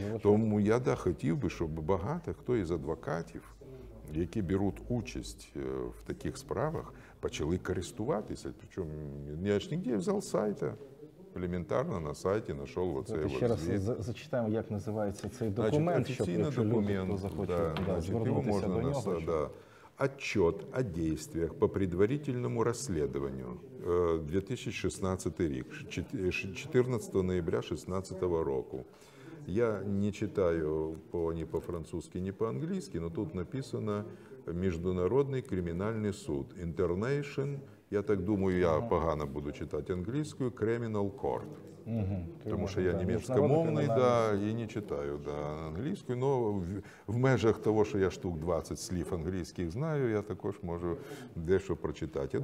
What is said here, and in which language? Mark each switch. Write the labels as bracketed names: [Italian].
[Ukrainian] Тому я да, хотів би, щоб багато хто із адвокатів, які беруть участь в таких справах, почали користуватися. Причому я ж нігде взяв сайта. Елементарно на сайті знайшов оце його звіт. Ще раз зачитаємо, як називається цей документ, значить, офіційний документ, люди, хто захоче, да, значить, можна до нього. Да. [Russian] Отчет о действиях по предварительному расследованию 2016 рік, 14 ноября 2016 року. [Ukrainian] Я не читаю ні по-французьки, ні по-англійськи, але тут написано «Міжнародний кримінальний суд», «Internation», я так думаю, я погано буду читати англійською, «Criminal Court», тому що я німецькомовний, да, і не читаю, да, англійською, але в межах того, що я штук 20 слів англійських знаю, я також можу дещо прочитати.